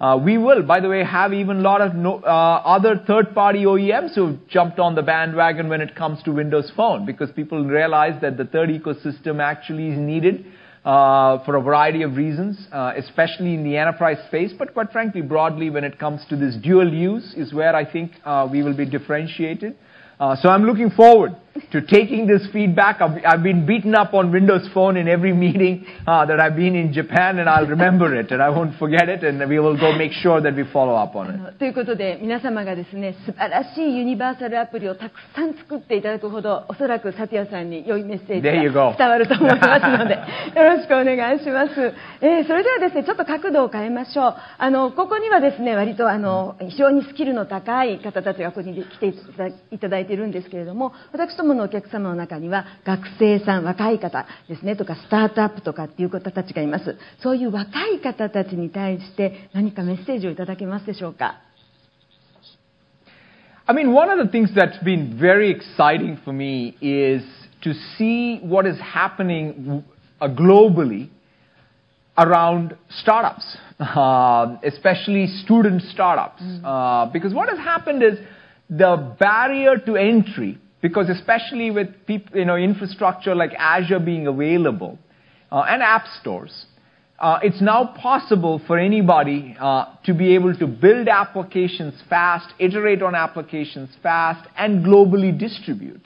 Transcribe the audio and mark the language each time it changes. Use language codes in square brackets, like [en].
[en] We will, by the way, have even a lot of other third-party OEMs who have jumped on the bandwagon when it comes to Windows Phone, because people realize that the third ecosystem actually is needed for a variety of reasons, especially in the enterprise space, but quite frankly, broadly, when it comes to this dual use is where I think we will be differentiated. So I'm looking forward to taking this feedback. I've been beaten up on Windows Phone in every meeting that I've been in Japan, and I'll remember it, and I won't forget it, and we will go make sure that we follow up on it. [ja] ということで、皆様がですね、素晴らしいユニバーサルアプリをたくさん作っていただくほど、おそらくサティアさんに良いメッセージが伝わると思いますので、よろしくお願いします。それではですね、ちょっと角度を変えましょう。ここにはですね、割と非常にスキルの高い方たちがここに来ていただいているんですけれども、私どものお客様の中には学生さん、若い方ですね、とかスタートアップとかっていう方たちがいます。そういう若い方たちに対して何かメッセージをいただけますでしょうか。 [en] I mean, one of the things that's been very exciting for me is to see what is happening globally around startups, especially student startups. Mm-hmm. Because what has happened is the barrier to entry, because especially with infrastructure like Azure being available and app stores, it's now possible for anybody to be able to build applications fast, iterate on applications fast, and globally distribute.